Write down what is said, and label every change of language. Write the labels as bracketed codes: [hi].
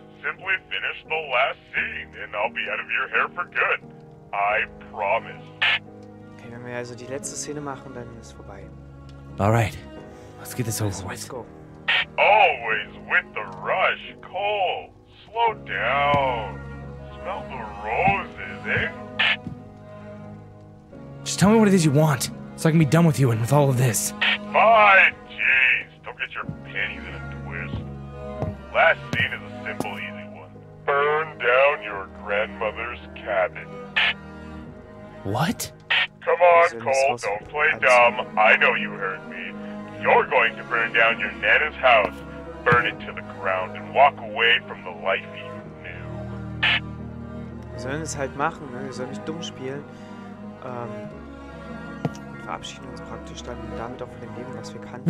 [en] Simply finish the last scene, and I'll be out of your hair for good. I promise. [de] Okay, wenn wir also die letzte Szene machen, dann ist es vorbei. [en] Alright, let's get this over with. Go. Always with the rush, Cole. Slow down. Smell the roses, eh? Just tell me what it is you want. So I can be done with you and with all of this. My jeez! Don't get your panties in a twist. Last scene is a simple, easy one. Burn down your grandmother's cabin. What? Come on, Cole, don't play dumb. I know you heard me. You're going to burn down your Nana's house, burn it to the ground, and walk away from the life you knew. [de] Wir sollen es halt machen, ne? Wir sollen nicht dumm spielen. Verabschieden uns praktisch dann damit auch von dem Leben, was wir kannten.